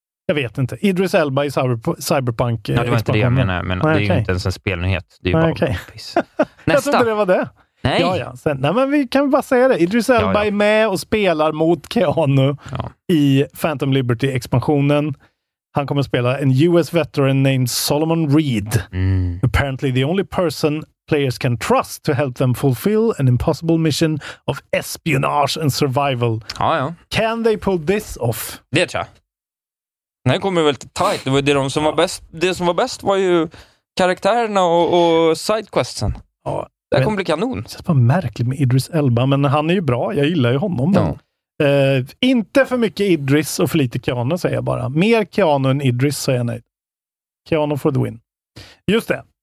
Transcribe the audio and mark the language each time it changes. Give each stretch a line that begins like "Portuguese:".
Swedish: Jag vet inte. Idris Elba i Cyberpunk. Nej, det var inte det jag menar. Men nej, det är okay. Ju inte ens en spelnyhet. Det är ju bara en piss. Nästa. Jag trodde det var det. Nej. Ja, ja. Sen, nej, men vi kan bara säga det. Idris Elba är med och spelar mot Keanu i Phantom Liberty-expansionen. Han kommer att spela en
English: US veteran named
Swedish: Solomon Reed. Mm.
English: Apparently the only person players can trust to help them fulfill an impossible mission of espionage and survival.
Swedish: Ja, ja.
English: Can they pull this off?
Swedish: Det tror jag. Den kommer väl till tight. Det var det de som var bäst. Det som var bäst var ju karaktärerna och sidequestsen. Ja. Det kommer bli kanon. Det är bara märkligt med Idris Elba, men han är ju bra. Jag gillar ju honom. Ja. Inte för mycket Idris och för lite Keanu, säger jag bara. Mer Keanu än Idris, säger jag nej. Keanu
English: for the win.
Swedish: Just det.